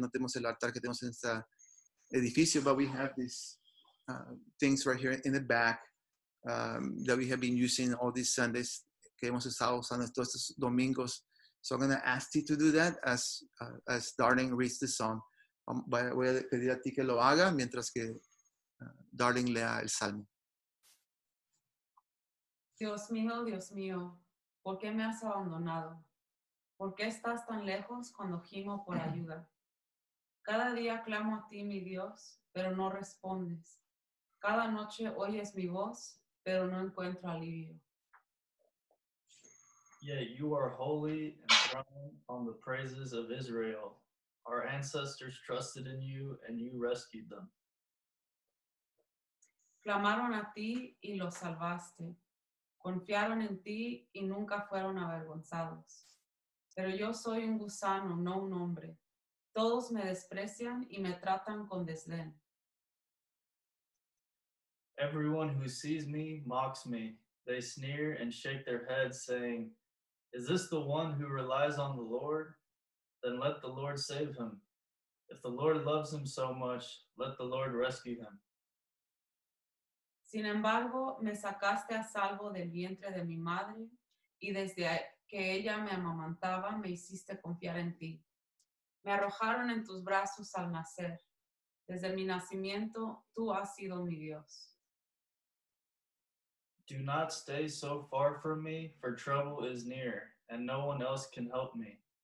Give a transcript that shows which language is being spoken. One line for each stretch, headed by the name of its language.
Spanish: No tenemos el altar que tenemos en este edificio,
English: but we have these things right here in the back that we have been using all these Sundays,
Spanish: que hemos estado usando todos estos domingos.
English: So I'm going to ask you to do that as Darling reads the song.
Spanish: Voy a pedir a ti que lo haga mientras que Darling lea el salmo. Dios mío, ¿por qué me has abandonado? ¿Por qué estás tan lejos cuando gimo por ayuda? Cada día clamo a ti, mi Dios, pero no respondes. Cada noche oyes mi voz, pero no encuentro alivio.
English: Yet you are holy and throned on the praises of Israel. Our ancestors trusted in you and you rescued them.
Spanish: Clamaron a ti y los salvaste. Confiaron en ti y nunca fueron avergonzados. Pero yo soy un gusano, no un hombre. Todos me desprecian y me tratan con desdén.
English: Everyone who sees me mocks me. They sneer and shake their heads, saying, "Is this the one who relies on the Lord? Then let the Lord save him. If the Lord loves him so much, let the Lord rescue him."
Spanish: Sin embargo, me sacaste a salvo del vientre de mi madre, y desde que ella me amamantaba, me hiciste confiar en ti. Me arrojaron en tus brazos al nacer. Desde mi nacimiento, tú has sido mi Dios.
English: Do not stay so far from me, for trouble is near, and no one else can help me.